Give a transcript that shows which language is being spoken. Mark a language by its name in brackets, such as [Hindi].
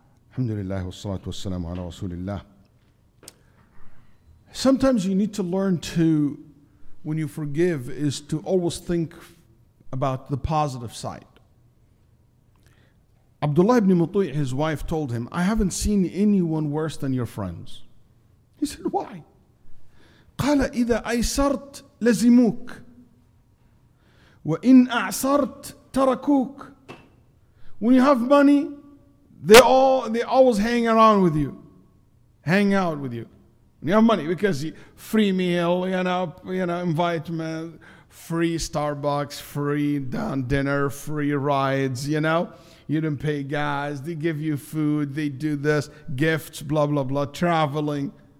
[Arabic] الحمد لله والصلاة والسلام على رسول الله. [English] Sometimes you need to learn to, when you forgive, is to always think about the positive side. Abdullah ibn Mutu'i, his wife, told him, I haven't seen anyone worse than your friends. He said, why? [Arabic] قال إذا أيسرت لزموك وإن أعسرت تركوك. [English] When you have money, they always hang around with you, hang out with you. When you have money, because free meal, you know, invite me, free Starbucks, free dinner, free rides, you know, you don't pay gas, they give you food, they do this, gifts, blah blah blah, traveling.